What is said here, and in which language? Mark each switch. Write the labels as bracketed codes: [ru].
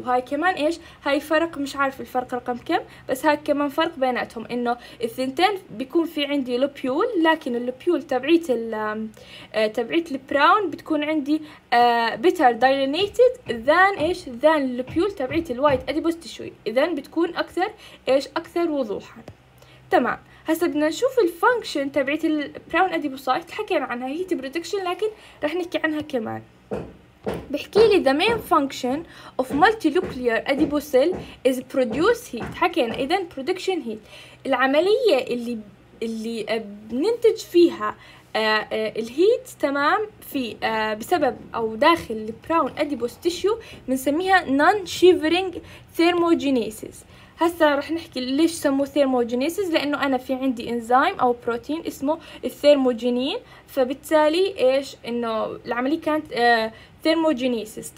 [ar] هاي كمان ايش، هاي فرق، مش عارف الفرق رقم كم، بس هاي كمان فرق بيناتهم، انه الثنتين بيكون في عندي البيول، لكن البيول تبعيت تبعيت البراون بتكون عندي بيتر دايلينيتد ذان ايش، ذان البيول تبعيت الوايت اديبوس تيشو، اذا بتكون اكثر ايش، اكثر وضوحا. تمام، هسا بدنا نشوف الفانكشن تبعت البراون اديبوسايت، حكينا عنها هيت بريدكشن، لكن رح نحكي عنها كمان. بحكي لي [en] the main function of multinuclear adipocell is produce heat. [ar] حكينا اذا production heat، العملية اللي بننتج فيها الهيت، تمام، في بسبب او داخل البراون اديبوس تيشو بنسميها non shivering thermogenesis. هسا رح نحكي ليش سموه ثيرموجينيسيس، لانه انا في عندي انزيم او بروتين اسمه الثيرموجينين، فبالتالي ايش، انه العمليه كانت ثيرموجينيسيس.